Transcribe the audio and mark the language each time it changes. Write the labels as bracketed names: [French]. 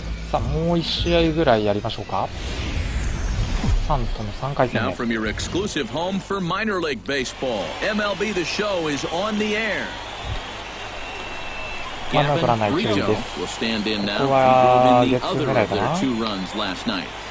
[Japanese] さあ、もう一試合ぐらいやりましょうか。サンとの3回戦目。 [English] Now from your exclusive home for minor league baseball, MLB The Show is on the air. [Japanese] マンナドランナー1塁です。ここは月数狙いかな。